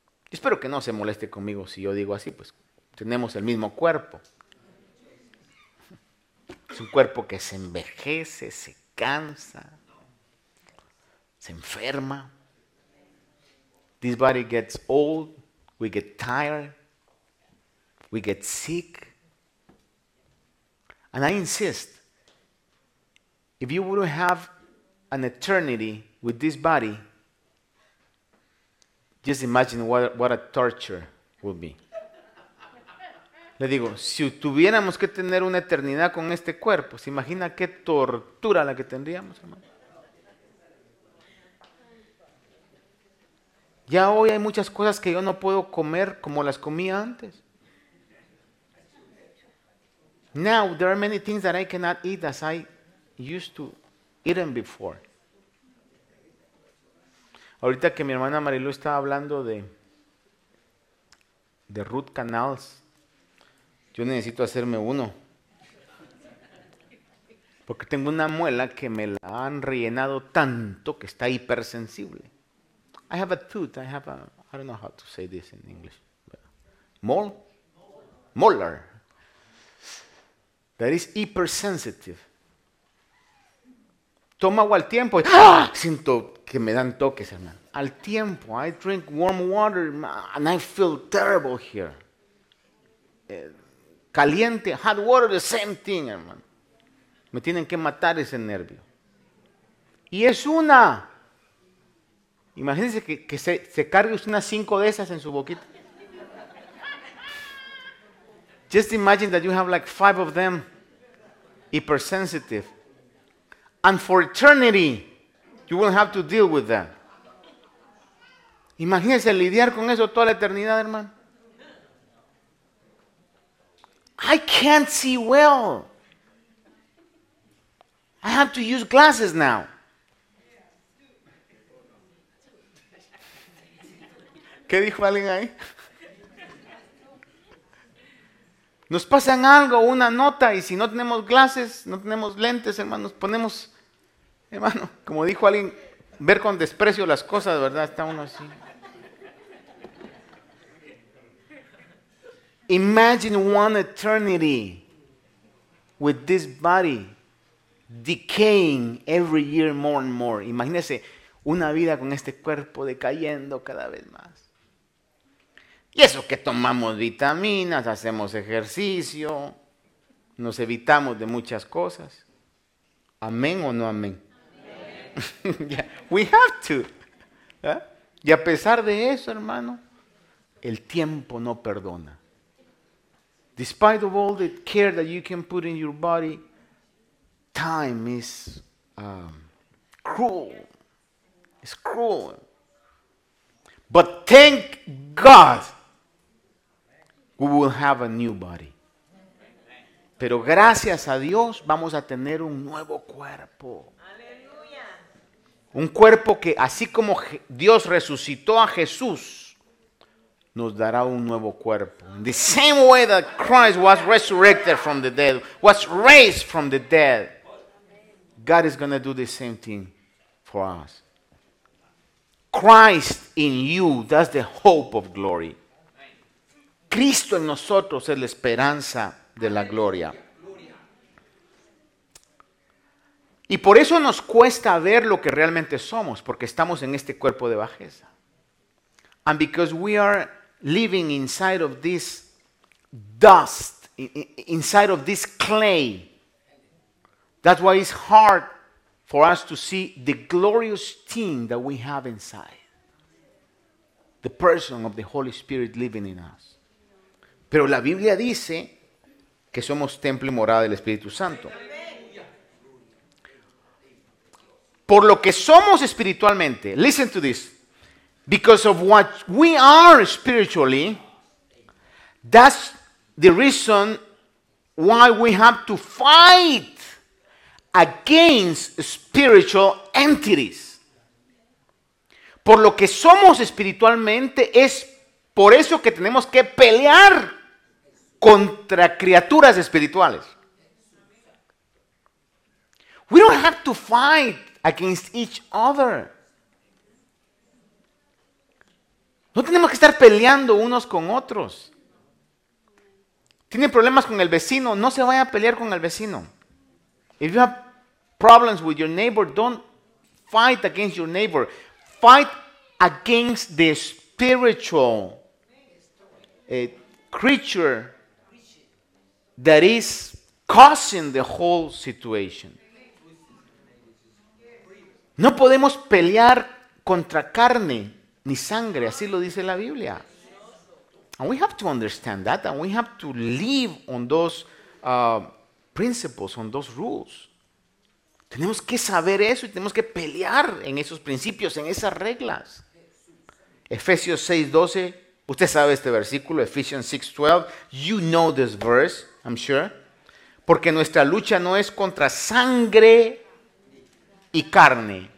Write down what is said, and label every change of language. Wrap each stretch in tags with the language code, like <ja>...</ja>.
<es>Espero que no se moleste conmigo si yo digo así, pues tenemos el mismo cuerpo. Es un cuerpo que se envejece, se cansa, se enferma.</es> <en>This body gets old, we get tired, we get sick. And I insist, if you would have an eternity with this body, just imagine what a torture would be.</en> <es>Le digo, si tuviéramos que tener una eternidad con este cuerpo, ¿se imagina qué tortura la que tendríamos, hermano? Ya hoy hay muchas cosas que yo no puedo comer como las comía antes.</es> <en>Now, there are many things that I cannot eat as I used to eat them before.</en> <es>Ahorita que mi hermana Marilu estaba hablando de root canals, yo necesito hacerme uno. Porque tengo una muela que me la han rellenado tanto que está hipersensible.</es> <en>I have a tooth, I don't know how to say this in English. Molar. That is hypersensitive.</en> <es>Tomo agua al tiempo y siento que me dan toques, hermano. Al tiempo,</es> <en>I drink warm water and I feel terrible here.</en> <es>Caliente,</es> <en>hot water, the same thing,</en> <es>hermano. Me tienen que matar ese nervio. Y es una. Imagínense que se cargue unas cinco de esas en su boquita.</es> <en>Just imagine that you have like five of them hypersensitive. And for eternity, you will have to deal with that.</en> <es>Imagínense lidiar con eso toda la eternidad, hermano.</es> <en>I can't see well. I have to use glasses now.</en> <es>¿Qué dijo alguien ahí? Nos pasan algo, una nota, y si no tenemos glasses, no tenemos lentes, hermano, nos ponemos, hermano, como dijo alguien, ver con desprecio las cosas, ¿verdad? Está uno así.</es> <en>Imagine one eternity with this body decaying every year more and more.</en> <es>Imagínese una vida con este cuerpo decayendo cada vez más. Y eso que tomamos vitaminas, hacemos ejercicio, nos evitamos de muchas cosas. ¿Amén o no amén?</es> <en>Yeah, we have to.</en> <es>¿Eh? Y a pesar de eso, hermano, el tiempo no perdona.</es> <en>Despite of all the care that you can put in your body, time is cruel. It's cruel. But thank God we will have a new body.</en> <es>Pero gracias a Dios vamos a tener un nuevo cuerpo. Aleluya. Un cuerpo que, así como Dios resucitó a Jesús, nos dará un nuevo cuerpo.</es> <en>In the same way that Christ was resurrected from the dead, was raised from the dead, God is going to do the same thing for us. Christ in you, that's the hope of glory.</en> <es>Cristo en nosotros es la esperanza de la gloria. Y por eso nos cuesta ver lo que realmente somos, porque estamos en este cuerpo de bajeza.</es> <en>And because we are living inside of this dust, inside of this clay, that's why it's hard for us to see the glorious thing that we have inside. The person of the Holy Spirit living in us.</en> <es>Pero la Biblia dice que somos templo y morada del Espíritu Santo. Por lo que somos espiritualmente,</es> <en>listen to this, because of what we are spiritually, that's the reason why we have to fight against spiritual entities.</en> <es>Por lo que somos espiritualmente, es por eso que tenemos que pelear contra criaturas espirituales.</es> <en>We don't have to fight against each other.</en> <es>No tenemos que estar peleando unos con otros. Tiene problemas con el vecino, no se vaya a pelear con el vecino.</es> <en>If you have problems with your neighbor, don't fight against your neighbor. Fight against the spiritual creature that is causing the whole situation.</en> <es>No podemos pelear contra carne ni sangre, así lo dice la Biblia.</es> <en>And we have to understand that, and we have to live on those principles, on those rules.</en> <es>Tenemos que saber eso y tenemos que pelear en esos principios, en esas reglas. Efesios 6:12, usted sabe este versículo,</es> <en>Ephesians 6:12, you know this verse. I'm sure.</en> <es>Porque nuestra lucha no es contra sangre y carne.</es>